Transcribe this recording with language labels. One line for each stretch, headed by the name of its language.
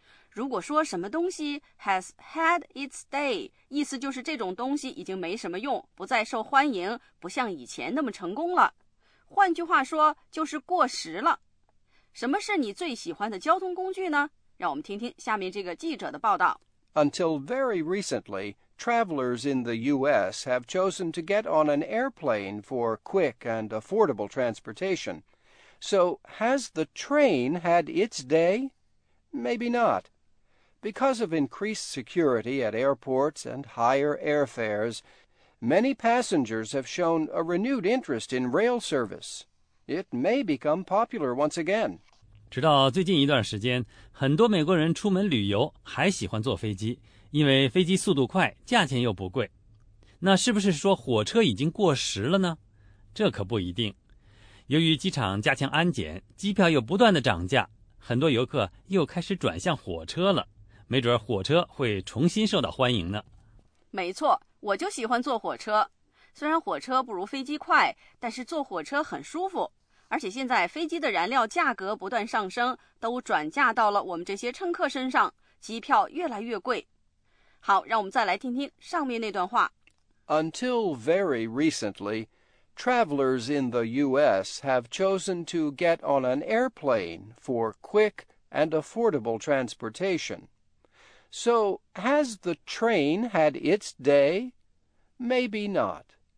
Chinese: 如果说什么东西
English: has had its day,
Chinese: 意思就是这种东西已经没什么用，不再受欢迎，不像以前那么成功了。换句话说，就是过时了。什么是你最喜欢的交通工具呢？让我们听听下面这个记者的报道。
English: Until very recently,Travelers in the U.S. have chosen to get on an airplane for quick and affordable transportation. So, has the train had its day? Maybe not. Because of increased security at airports and higher airfares, many passengers have shown a renewed interest in rail service. It may become popular once again.
Chinese: 直到最近一段时间，很多美国人出门旅游还喜欢坐飞机，因为飞机速度快，价钱又不贵。那是不是说火车已经过时了呢？这可不一定。由于机场加强安检，机票又不断的涨价，很多游客又开始转向火车了。没准火车会重新受到欢迎呢。没错，我就喜欢坐火车。虽然火车不如飞机快，但是坐火车很舒服。而且现在飞机的燃料价格不断上升，都转嫁到了我们这些乘客身上，机票越来越贵。好，让我们再来听听上面那段话。
English: Until very recently, travelers in the U.S. have chosen to get on an airplane for quick and affordable transportation. So, has the train had its day? Maybe not.